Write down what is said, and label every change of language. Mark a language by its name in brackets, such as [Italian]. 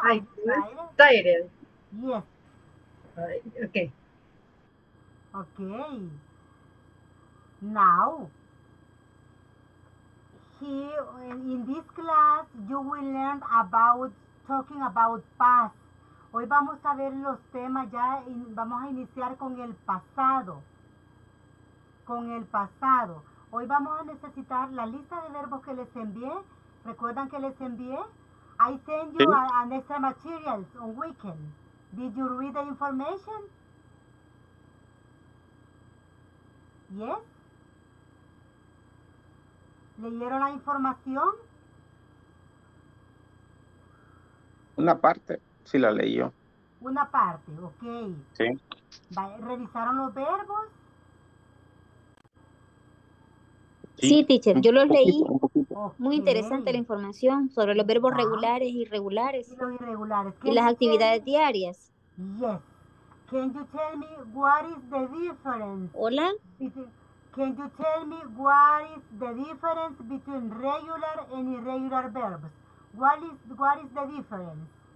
[English] I'm tired. Yes. Okay. Now, here in this class, you will learn about talking about past. [Spanish] Hoy vamos a ver los temas ya, vamos a iniciar con el pasado. Con el pasado. Hoy vamos a necesitar la lista de verbos que les envié. ¿Recuerdan que les envié? [English] I sent you an extra materials on weekend. Did you read the information? Yes? [Spanish] ¿Leyeron la información? Una parte, sí la leí yo. Una parte, okay. Sí. ¿Revisaron los verbos? Sí, teacher, yo los leí. Muy interesante la información sobre los verbos regulares e irregulares. Y los irregulares. Y las actividades diarias. [English] Yes. Can you tell me what is the difference? [Spanish] Hola. [English] Can you tell me what is the difference between regular and irregular verbs? What is the difference?